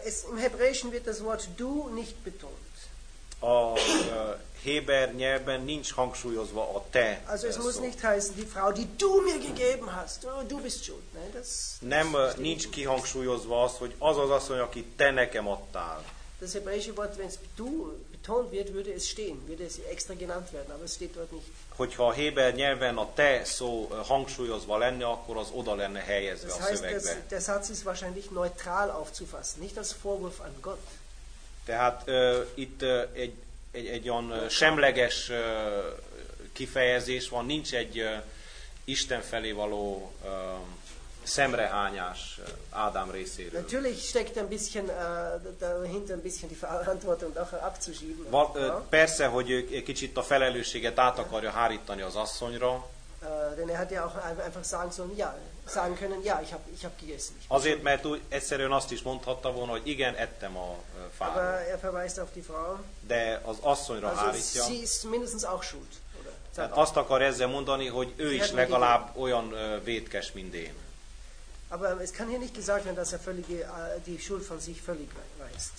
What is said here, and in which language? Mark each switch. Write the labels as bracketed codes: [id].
[de] Im Hebräischen wird das Wort du nicht betont. [hu] A héber nyelven nincs hangsúlyozva a te. [de] Also es muss nicht heißen die Frau die du mir gegeben hast. Du bist schuld, ne? Das [hu] nem nincs kihangsúlyozva az, hogy az az asszony, aki te nekem adtál. [de] Das hebräische Wort, wenn es du betont wird, würde es stehen, würde es extra genannt werden, aber es steht dort nicht. [hu] Hogyha a héber nyelven a te szó hangsúlyozva lenne, akkor az oda lenne helyezve [de] das [hu] a szövegbe. [de] Heißt, der Satz ist wahrscheinlich neutral aufzufassen, nicht als Vorwurf an Gott. [hu] Tehát itt egy olyan semleges kifejezés van, nincs egy Isten felé való szemrehányás Ádám részéről. [de] Natürlich steckt ein bisschen dahinter ein bisschen die Verantwortung doch abzuschieben. [hu] Persze, hogy ő kicsit a felelősséget át akarja hárítani az asszonyra. [de] Denn er hat ja auch einfach sagen sollen, ja, sagen können, ja, ich hab gegessen. [hu] Azért, mert úgy egyszerűen azt is mondhatta volna, hogy igen, ettem a fáról. [de] Aber er verweist auf die Frau. [hu] De az asszonyra [de] also [hu] hárítja. [de] Sie ist mindestens auch schuld. [hu] Tehát azt akar ezzel mondani, hogy ő is legalább olyan vétkes, mint én. [de] Aber es kann hier nicht gesagt werden, dass er völlig die Schuld von sich völlig weist.